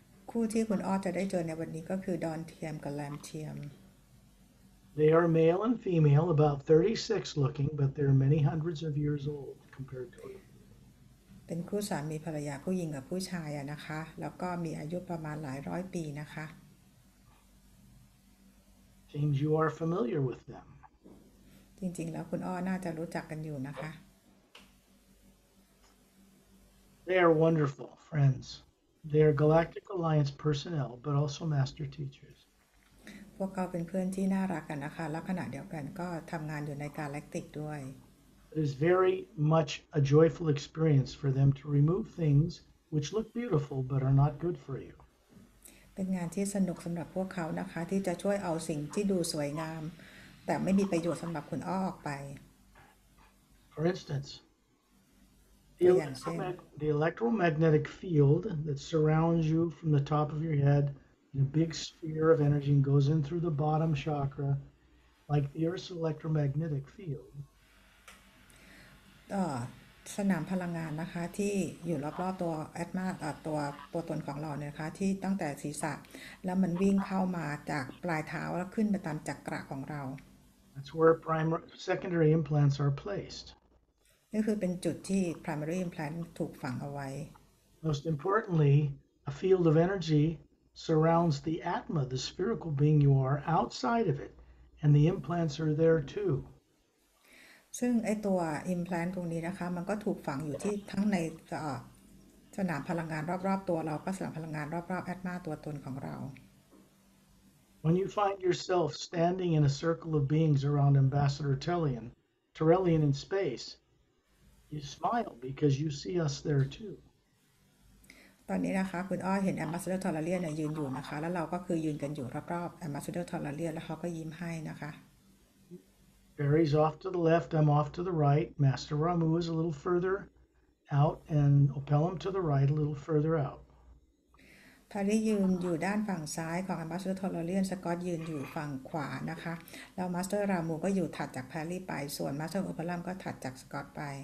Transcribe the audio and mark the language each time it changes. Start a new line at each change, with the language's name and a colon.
Thai: คู่ที่คุณอ้อจะได้เจอในวันนี้ก็คือ Don TM กับ Lam TM.
English: They are male and female, about 36 looking, but they're many hundreds of years old compared to you.
Thai: เป็นคู่สามีภรรยาผู้หญิงกับผู้ชายนะคะแล้วก็มีอายุประมาณหลายร้อยปีนะคะ
English: Seems you are familiar with them.
Thai: จริงๆแล้วคุณอ้อน่าจะรู้จักกันอยู่นะคะ
English: They are wonderful friends. They are Galactic Alliance personnel, but also master teachers.
Thai: พวกเขาเป็นเพื่อนที่น่ารักกันนะคะและขณะเดียวกันก็ทำงานอยู่ในกาแล็กติกด้วย
English: It is very much a joyful experience for them to remove things which look beautiful but are not good for you.
Thai: เป็นงานที่สนุกสำหรับพวกเขานะคะที่จะช่วยเอาสิ่งที่ดูสวยงามแต่ไม่มีประโยชน์สำหรับคุณอ้อออกไป
English: For instance, the electromagnetic field that surrounds you from the top of your head in a big sphere of energy and goes in through the bottom chakra like the Earth's electromagnetic field.
Thai: สนามพลังงานนะคะที่อยู่รอบๆตัวแอตมาตัวตัวตนของเราเนี่ยนะคะที่ตั้งแต่ศีรษะแล้วมันวิ่งเข้ามาจากปลายเท้าแล้วขึ้นไปตามจักระของเรา
English: That's where primary secondary implants are placed.
Thai: นี่คือเป็นจุดที่ primary implant ถูกฝังเอาไว้
English: Most importantly, a field of energy surrounds the Atma, the spherical being you are, outside of it, and the implants are there too.
Thai: ซึ่งไอ้ตัวอิมแพลนต์ตรงนี้นะคะมันก็ถูกฝังอยู่ที่ทั้งในสนามพลังงานรอบๆตัวเราก็สนามพลังงานรอบๆแอตมาตัวตนของเรา
English: When you find yourself standing in a circle of beings around Ambassador Terelian in space, you smile because you see us there too.
Thai: ตอนนี้นะคะคุณอ้อเห็นแอมบาสเดอร์ทอร์เรียนยืนอยู่นะคะแล้วเราก็คือยืนกันอยู่รอบๆแอมบาสเดอร์ทอร์เรียนแล้วเขาก็ยิ้มให้นะคะ
English: Barry's off to the left, I'm off to the right, Master Ramu is a little further out, and Opelam to the right, a little further out.
Thai: พารียืนอยู่ด้านฝั่งซ้ายของมาสเตอร์ทอร์เรียนสกอตยืนอยู่ฝั่งขวานะคะแล้วมาสเตอร์รามูก็อยู่ถัดจากพารีไปส่วนมาสเตอร์โอเปลัมก็ถัดจากสกอตไป